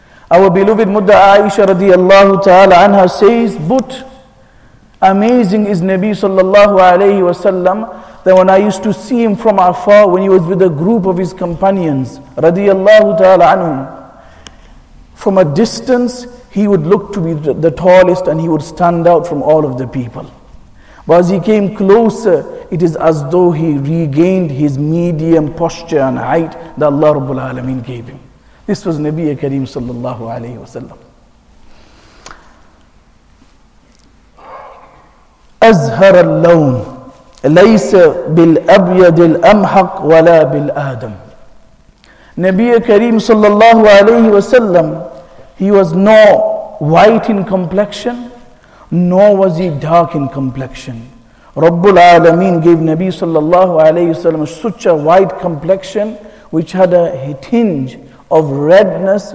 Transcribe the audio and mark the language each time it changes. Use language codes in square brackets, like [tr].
[en] Our beloved Mudda Aisha radiallahu ta'ala anha says, but amazing is Nabi sallallahu alayhi wasallam, that when I used to see him from afar, when he was with a group of his companions radiallahu ta'ala anhum, from a distance, he would look to be the tallest and he would stand out from all of the people. But as he came closer, it is as though he regained his medium posture and height that Allah Rabbul Alameen gave him. This was Nabi Kareem sallallahu alayhi wasallam. [ar] أزهر اللون ليس بالأبيض الأمحق ولا بالآدم. [en] Nabi Kareem sallallahu alayhi wasallam, he was nor white in complexion, nor was he dark in complexion. Rabbul Alameen gave Nabi sallallahu alayhi wasallam such a white complexion, which had a tinge of redness.